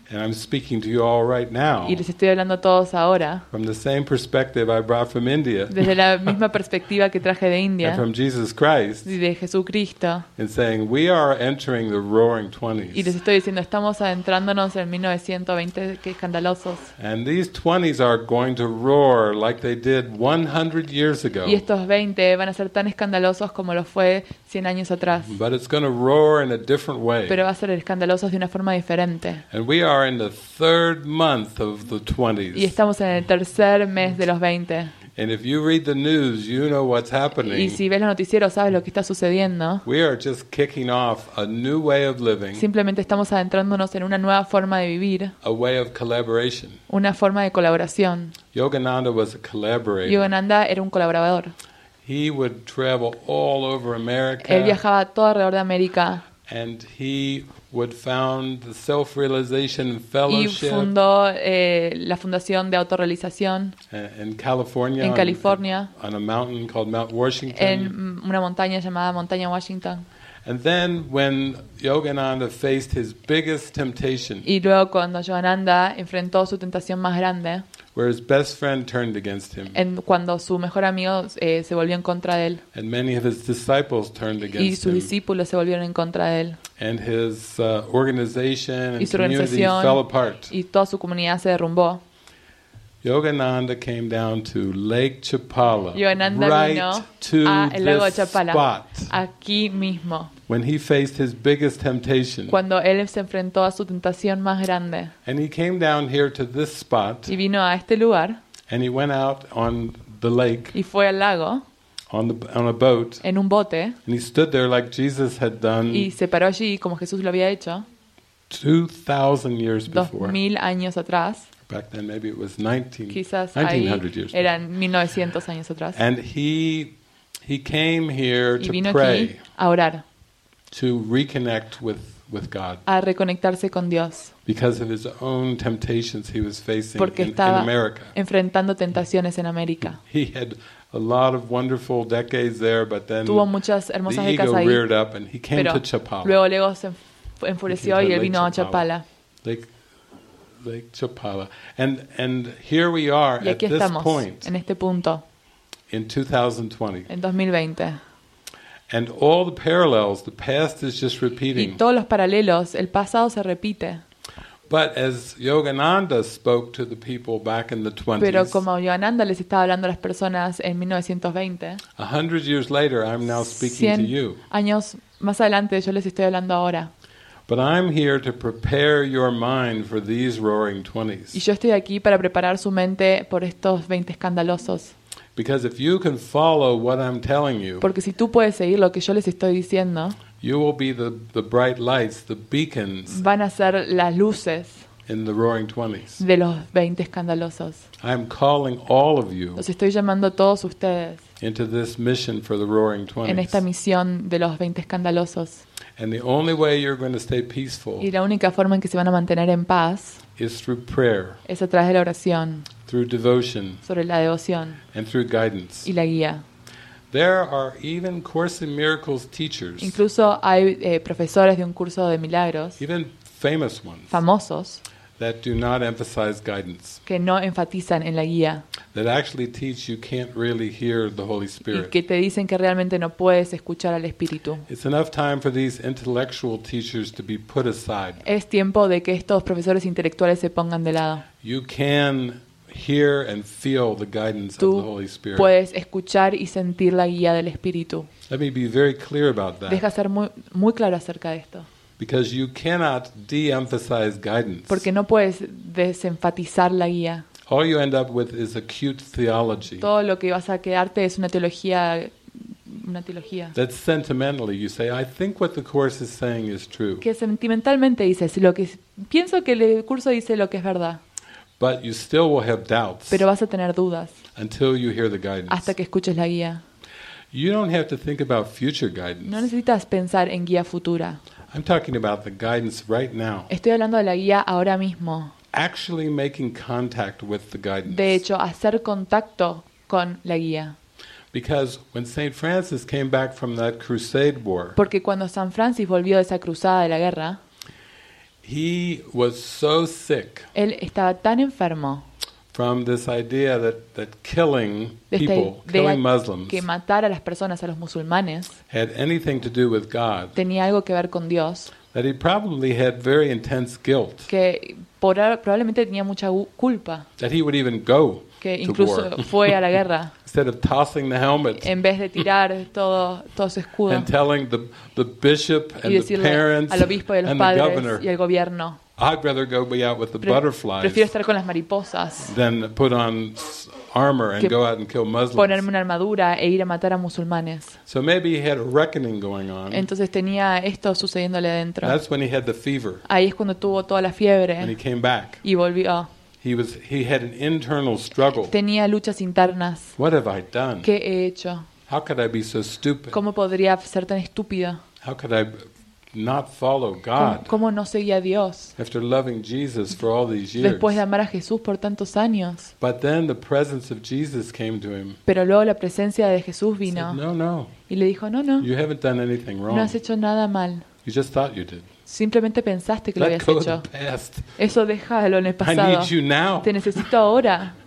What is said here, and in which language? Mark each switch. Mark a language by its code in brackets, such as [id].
[en] And I'm speaking to you all right now. [es] Y les estoy hablando a todos ahora. [en] From the same perspective I brought from India. [es] Desde la misma perspectiva que traje de India. [en] And from Jesus Christ. [es] Y de Jesucristo. [en] And saying we are entering the roaring 20s. [es] Y les estoy diciendo estamos adentrándonos en 1920 que escandalosos. [en] And these 20s are going to roar like they did 100 years ago. [es] Y estos 20 van a ser tan escandalosos como lo fue 100 años atrás. [en] But it's going to roar in a different way. [es] Pero va a ser escandalosos de una forma diferente. [en] And we are in the third month of the 20s. [es] Y estamos en el tercer mes de los 20. [en] And if you read the news, you know what's happening. [es] Y si ves los noticieros, sabes lo que está sucediendo. [en] We are just kicking off a new way of living. [es] Simplemente estamos adentrándonos en una nueva forma de vivir. [en] A way of collaboration. [es] Una forma de colaboración. [en] Yogananda was a collaborator. [es] Yogananda era un colaborador. [en] He would travel all over America. [es] Él viajaba todo alrededor de América. [en] And he would found the Self-Realization Fellowship. [es] Y fundó la fundación de autorrealización [en] in California, [es] en California, [en] on a mountain called Mount Washington. [es] En una montaña llamada Montaña Washington. [en] And then when Yogananda faced his biggest temptation. [es] Y luego cuando Yogananda enfrentó su tentación más grande. [en] Where his best friend turned against him. [es] En cuando su mejor amigo se volvió en contra de él. [en] And many of his disciples turned against him. [es] Y sus discípulos se volvieron en contra de él. [en] And his organization and community fell apart. [es] Y toda su comunidad se derrumbó. [en] Yogananda came down to Lake Chapala. [es] Yogananda [en] right [es] vino [en] to [es] al lago [en] this [es] Chapala, [en] spot. [es] Aquí mismo. [en] When he faced his biggest temptation. [es] Cuando él se enfrentó a su tentación más grande. [en] And he came down here to this spot. [es] Y vino a este lugar. [en] And he went out on the lake. [es] Y fue al lago. [en] On a boat. [es] En un bote. [en] And he stood there like Jesus had done. [es] Y se paró allí como Jesús lo había hecho. [en] 2000 years before. [es] 2000 años atrás. [en] Back then maybe it was 1900 years. [es] Eran 1900 años atrás. [en] And he came here [es] y vino [en] to pray. [es] Aquí a orar. [en] To reconnect with God. [es] A reconectarse con Dios. [en] Because of his own temptations he was facing [es] porque estaba [en] in America. [es] Enfrentando tentaciones en América. [en] He had a lot of wonderful decades there, but then [es] tuvo muchas hermosas [en] the ego [es] décadas ahí, [en] reared up and he came to Chapala. [es] Luego el ego se enfureció y él vino Chapala. A Chapala. [en] Lake Chapala. And here we are [es] y aquí [en] at [es] estamos, [en] this point, [es] en este punto. [en] In 2020. [es] En 2020. [en] And all the parallels, the past is just repeating. [es] Y todos los paralelos, el pasado se repite. [en] But as Yogananda spoke to the people back in the 20s. [es] Pero como Yogananda les estaba hablando a las personas en 1920. [en] 100 years later, I'm now speaking to you. [es] 100 años más adelante, yo les estoy hablando ahora. [en] But I'm here to prepare your mind for these roaring 20s. [es] Y yo estoy aquí para preparar su mente por estos 20 escandalosos. [en] Because if you can follow what I'm telling you, [es] porque si tú puedes seguir lo que yo les estoy diciendo, [en] you will be the bright lights, the beacons, [es] van a ser las luces [en] in the roaring 20s. [es] De los 20 escandalosos. [en] I'm calling all of you, [es] los estoy llamando a todos ustedes, [en] into this mission for the roaring 20s. [es] En esta misión de los 20 escandalosos. [en] And the only way you're going to stay peaceful, [es] y la única forma en que se van a mantener en paz, [en] is through prayer, [es] es a través de la oración. [en] Through devotion, [es] sobre la devoción, [en] and through guidance, [es] y la guía. [en] There are even Course in Miracles teachers, [es] incluso hay profesores de un curso de milagros, [en] even famous ones, [es] famosos, [en] that do not emphasize guidance, [es] que no enfatizan en la guía, [en] that actually teach you can't really hear the Holy Spirit, [es] y que te dicen que realmente no puedes escuchar al Espíritu. [en] It's enough time for these intellectual teachers to be put aside. [es] Es tiempo de que estos profesores intelectuales se pongan de lado. [en] You can hear and feel the guidance [es] tú [en] of the Holy Spirit. [es] Puedes escuchar y sentir la guía del Espíritu. [en] Let me be very clear about that. [es] Deja ser muy, muy claro acerca de esto. [en] Because you cannot de-emphasize guidance. [es] Porque no puedes desenfatizar la guía. [en] All you end up with is acute theology. [es] Todo lo que vas a quedarte es una teología. [en] That's sentimentally you say, I think what the course is saying is true. [es] Que sentimentalmente dices, lo que pienso que el curso dice lo que es verdad. [en] But you still will have doubts. [es] Pero vas a tener dudas. [en] Until you hear the guidance. [es] Hasta que escuches la guía. [en] You don't have to think about future guidance. [es] No necesitas pensar en guía futura. [en] I'm talking about the guidance right now. [es] Estoy hablando de la guía ahora mismo. [en] Actually making contact with the guidance. [es] De hecho, hacer contacto con la guía. [en] Because when Saint Francis came back from that crusade war. [es] Porque cuando San Francis volvió de esa cruzada de la guerra. [en] He was so sick. [es] Él estaba tan enfermo. [en] From this idea that killing people, killing Muslims, [es] que matar a las personas, a los musulmanes, [en] had anything to do with God. [es] Tenía algo que ver con Dios. [en] That he probably had very intense guilt. [es] Que probablemente tenía mucha culpa. [en] That he would even go. [es] Que incluso fue a la guerra. [en] Instead of tossing the helmet. [es] En vez de tirar todo su escudo. [en] And telling the bishop and the parents [es] al obispo y los padres [en] and the governor, [es] y el gobierno. [en] I'd rather go be out with the butterflies. [es] Prefiero estar con las mariposas. [en] Than put on armor and go out and kill Muslims. [es] Ponerme una armadura e ir a matar a musulmanes. [en] So maybe he had a reckoning going on. [es] Entonces tenía esto sucediéndole adentro. [en] That's when he had the fever. [es] Ahí es cuando tuvo toda la fiebre. [en] And he came back. [es] Y volvió. [en] He had an internal struggle. [es] Tenía luchas internas. [en] What have I done? [es] ¿Qué he hecho? [en] How could I be so stupid? [es] ¿Cómo podría ser tan estúpido? [en] How could I not follow God? [es] ¿Cómo no seguía a Dios? [en] After loving Jesus for all these years. [es] Después de amar a Jesús por tantos años. [en] But then the presence of Jesus came to him. [es] Pero luego la presencia de Jesús vino. [en] Said, no. [es] Y le dijo, no. [en] You haven't done anything wrong. [es] No has hecho nada mal. [en] You just thought you did. [es] Simplemente pensaste que lo habías hecho. Eso déjalo en el pasado. [en] I need you now. [es] Te necesito ahora.